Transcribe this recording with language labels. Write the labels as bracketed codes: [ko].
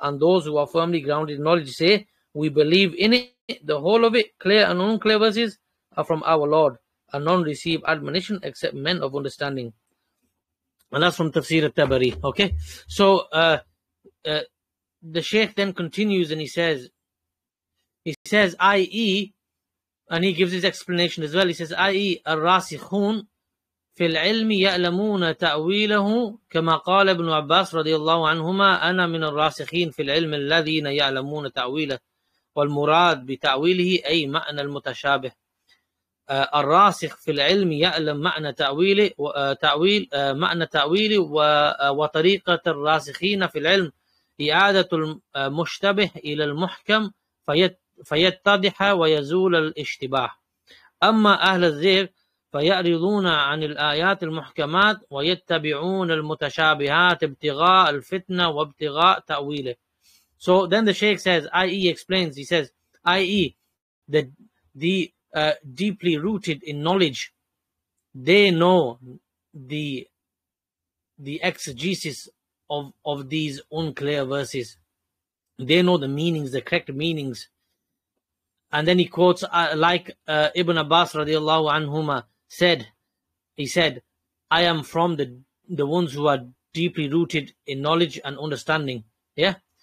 [en] And those who are firmly grounded in knowledge say, we believe in it, the whole of it, clear and unclear verses, are from our Lord, and none receive admonition except men of understanding. And that's from Tafsir al-Tabari. Okay, so the Shaykh then continues and he says, i.e., and he gives his explanation as well. He says, i.e., [ar] الراسخون في العلم يعلمون تأويله كما قال ابن عباس رضي الله عنهما أنا من الراسخين في العلم الذين يعلمون تأويله والمراد بتأويله أي معنى المتشابه. الراسخ في العلم يعلم معنى تأويله وتأويل معنى تأويله وطريقة الراسخين في العلم إعادة المشتبه إلى المحكم فيتضح ويزول الاشتباه. أما أهل الزيغ فيعرضون عن الآيات المحكمات ويتبعون المتشابهات ابتغاء الفتنة وابتغاء تأويله. [en] So then the Shaykh says, i.e. explains, he says, i.e. the deeply rooted in knowledge, they know the exegesis of these unclear verses. They know the meanings, the correct meanings. And then he quotes, Ibn Abbas radiallahu anhuma said, he said, I am from the ones who are deeply rooted in knowledge and understanding. Yeah?